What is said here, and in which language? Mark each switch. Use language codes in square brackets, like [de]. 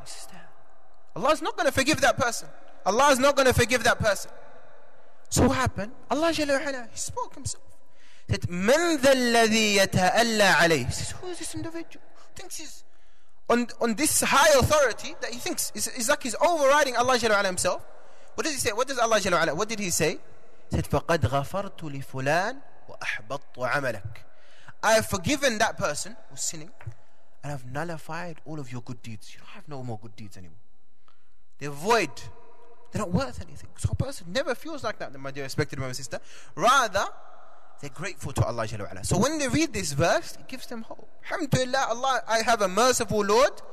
[en] He says, Allah is not going to forgive that person. Allah is not going to forgive that person. So what happened? Allah Jalla wa'ala, he spoke himself. He said, [ar] Man dha alladhi yata'alla alayhi. [en] He says, who is this individual? He thinks he's on this high authority, that he thinks is like he's overriding Allah Jalla wa'ala himself. What does he say? What does Allah Jalla wa'ala, what did he say? He said, [ar] فَقَدْ غَفَرْتُ لِفُلَانِ وَأَحْبَطْتُ عَمَلَكَ. [en] I have forgiven that person who's sinning, and I've nullified all of your good deeds. You don't have no more good deeds anymore. They're void. They're not worth anything. So a person never feels like that, my dear respected brother and sister. Rather, they're grateful to Allah Jalla wa'ala. So when they read this verse, it gives them hope. Alhamdulillah, Allah, I have a merciful Lord.